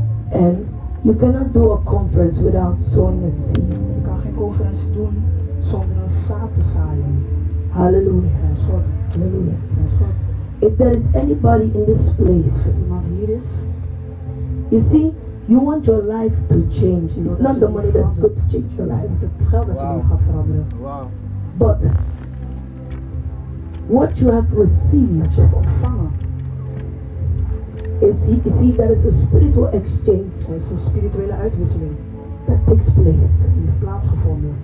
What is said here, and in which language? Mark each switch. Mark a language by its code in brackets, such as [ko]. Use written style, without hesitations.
[en] And you cannot do a conference without sowing a seed. [nl] Je kan geen conferentie doen zonder een zaad te zaaien. [en] Hallelujah. Hallelujah. If there is anybody in this place, [nl] iemand hier is, [en] you see, you want your life to change. It's not the money that's going to change your life. [nl] Het geld dat je nu gaat veranderen. [en] Wow. But what you have received, [nl] wat je hebt ontvangen, [en] is, you see, there is a spiritual exchange. [nl] Er is een spirituele uitwisseling. [en] That takes place. [nl] Die heeft plaatsgevonden.